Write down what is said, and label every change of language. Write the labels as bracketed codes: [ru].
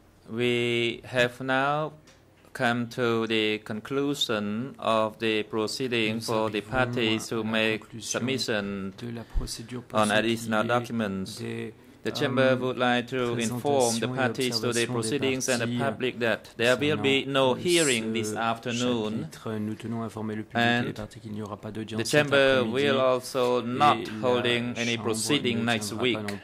[en] we have now come to the conclusion of the proceeding for the parties to make submission on additional documents. The chamber would like to inform the parties to the proceedings and the public that there will be no hearing this afternoon. [fr] Nous tenons à informer le public et parties qu'il n'y aura pas d'audience. [en] The chamber will also not holding any proceeding next week.